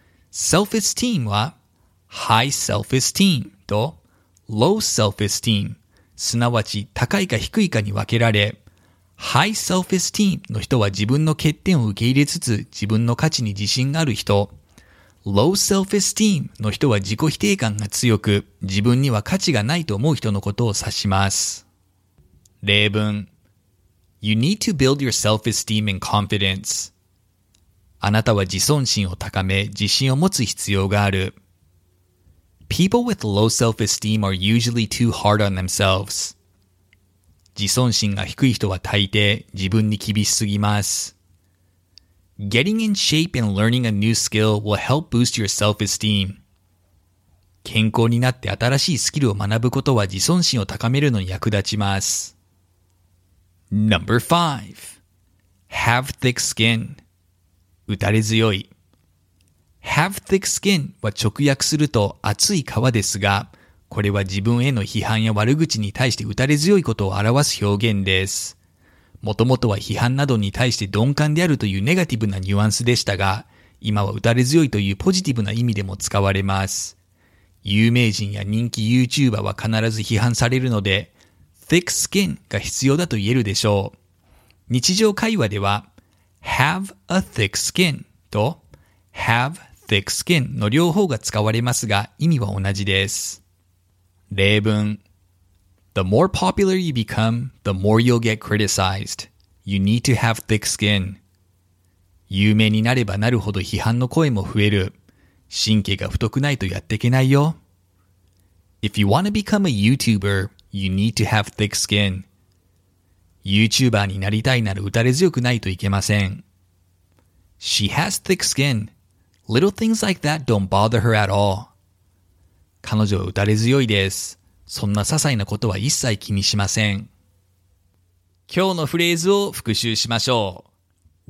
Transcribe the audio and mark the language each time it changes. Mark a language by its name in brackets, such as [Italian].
[Japanese] Self-esteem は High self-esteem と Low self-esteem、すなわち高いか低いかに分けられ、High self-esteem の人は自分の欠点を受け入れつつ自分の価値に自信がある人。 Low self-esteem の人は自己否定感が強く自分には価値がないと思う人のことを指します。例文。 [English] You need to build your self-esteem and confidence. [Japanese] あなたは自尊心を高め自信を持つ必要がある。 [English] People with low self-esteem are usually too hard on themselves. [Japanese] 自尊心が低い人は大抵自分に厳しすぎます。 [English] Getting in shape and learning a new skill will help boost your self-esteem. [Japanese] 健康になって新しいスキルを学ぶことは自尊心を高めるのに役立ちます。 [English] Number 5. Have thick skin. 打たれ強い。 [Japanese] Have thick skin は直訳すると厚い皮ですが、これは自分への批判や悪口に対して打たれ強いことを表す表現です。もともとは批判などに対して鈍感であるというネガティブなニュアンスでしたが、今は打たれ強いというポジティブな意味でも使われます。有名人や人気 YouTuber は必ず批判されるので、thick skin が必要だと言えるでしょう。日常会話では、have a thick skin と have thick skin の両方が使われますが、意味は同じです。例文。 [English] The more popular you become, the more you'll get criticized. You need to have thick skin. [Japanese] 有名になればなるほど批判の声も増える。神経が太くないとやっていけないよ。 [English] If you want to become a YouTuber, you need to have thick skin. [Japanese] YouTuber になりたいなら打たれ強くないといけません。 [English] She has thick skin. Little things like that don't bother her at all. [Japanese] 彼女は打たれ強いです。そんな些細なことは一切気にしません。今日のフレーズを復習しましょう。